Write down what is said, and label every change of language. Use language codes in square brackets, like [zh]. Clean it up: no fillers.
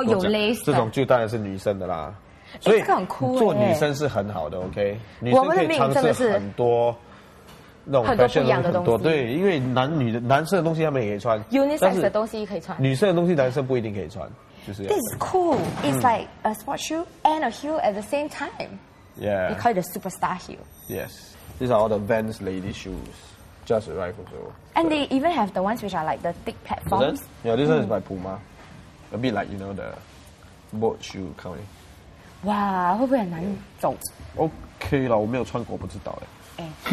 [zh] 多讲。哦，有 lace 这种就当然是女生的啦。所以、欸、这个很酷、欸，做女生是很好的。 OK， 女生可以尝试很多。那种很多不一样的东西，很多对，因为男女的男生的东西他们也可以穿，unisex 的东西可以穿，女生的东西男生不一定可以穿，就是。 [en] This is cool. It's like a sport shoe and a heel at the same time. Yeah. They call it a superstar heel. Yes. These are all the Vans lady shoes, just arrived for sale. And they even have the ones which are like the thick platforms. Is it? Yeah, this one is by Puma. A bit like you know the boat shoe kind. [zh] 哇，会不会很难走？OK 啦，我没有穿过，不知道哎。